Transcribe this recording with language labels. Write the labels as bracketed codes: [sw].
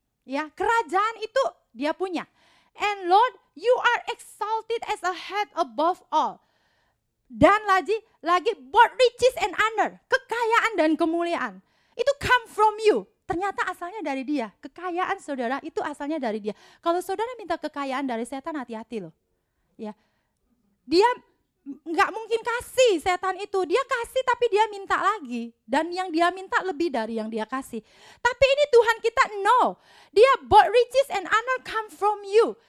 [id] Ya, kerajaan itu dia punya. [en] And Lord, you are exalted as a head above all. [id] Dan lagi, [en] both riches and honor, [id] kekayaan dan kemuliaan. [en] Itu come from you. [id] Ternyata asalnya dari dia. Kekayaan saudara itu asalnya dari dia. Kalau saudara minta kekayaan dari setan, hati-hati loh. Ya. Dia enggak mungkin kasih setan itu. Dia kasih tapi dia minta lagi. Dan yang dia minta lebih dari yang dia kasih. Tapi ini Tuhan kita, no. [en] Dia, both riches and honor come from you.